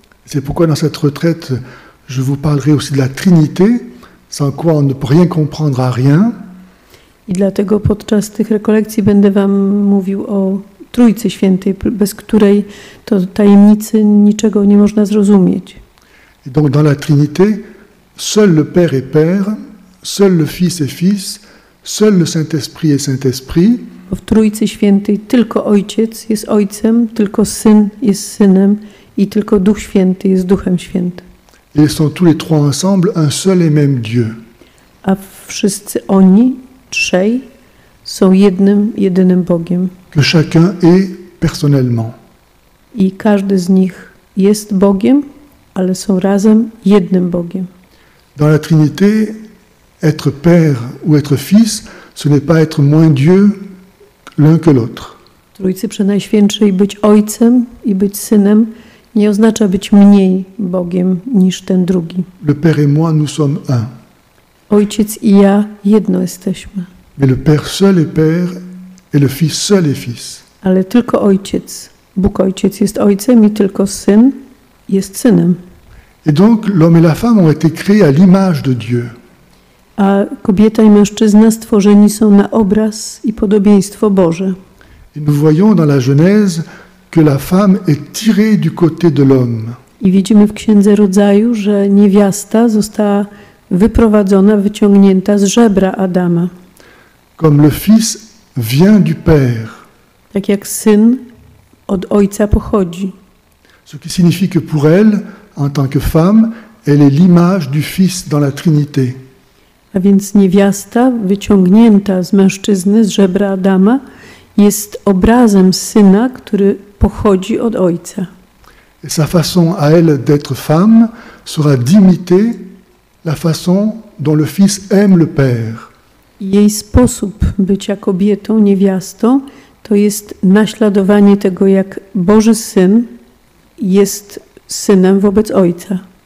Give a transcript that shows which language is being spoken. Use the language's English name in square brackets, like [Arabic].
[French] C'est pourquoi dans cette retraite, je vous parlerai aussi de la Trinité, sans quoi on ne peut rien comprendre à rien. [Polish] I dlatego podczas tych rekolekcji będę wam mówił o Trójcy Świętej, bez której to tajemnicy niczego nie można zrozumieć. [French] Et donc dans la Trinité, seul le Père est Père, seul le Fils est Fils, seul le Saint-Esprit est Saint-Esprit. [Polish] Bo w Trójcy Świętej tylko Ojciec jest Ojcem, tylko Syn jest Synem. I tylko Duch Święty jest Duchem Świętym. [French] Ils sont tous les trois ensemble un seul et même Dieu. [Polish] A wszyscy oni, trzej, są jednym, jedynym Bogiem. [French] Que chacun est personnellement. [Polish] I każdy z nich jest Bogiem, ale są razem jednym Bogiem. [French] Dans la Trinité, être père ou être fils, ce n'est pas être moins Dieu l'un que l'autre. [Polish] W Trójcy Przenajświętszej być Ojcem i być Synem nie oznacza być mniej Bogiem niż ten drugi. [French] Le Père et moi, nous sommes un. [Polish] Ojciec i ja jedno jesteśmy. [French] Mais le Père seul est Père et le Fils seul est Fils. [Polish] Ale tylko Ojciec, Bóg Ojciec jest Ojcem i tylko Syn jest Synem. [French] Et donc l'homme et la femme ont été créés à l'image de Dieu. [Polish] A kobieta i mężczyzna stworzeni są na obraz i podobieństwo Boże. [French] Et nous voyons dans la Genèse que la femme est tirée du côté de l'homme. [Polish] I widzimy w Księdze Rodzaju, że niewiasta została wyprowadzona, wyciągnięta z żebra Adama. [French] Comme le fils vient du père. [Polish] Tak jak syn od ojca pochodzi. [French] Ce qui signifie que pour elle, en tant que femme, elle est l'image du fils dans la Trinité. [Polish] A więc niewiasta wyciągnięta z mężczyzny, z żebra Adama, jest obrazem syna, który pochodzi od ojca. [French] Et sa façon à elle d'être femme sera d'imiter la façon dont le fils aime le père. [Polish] Jej sposób bycia kobietą, niewiastą, to jest naśladowanie tego, jak Boży Syn jest synem wobec Ojca.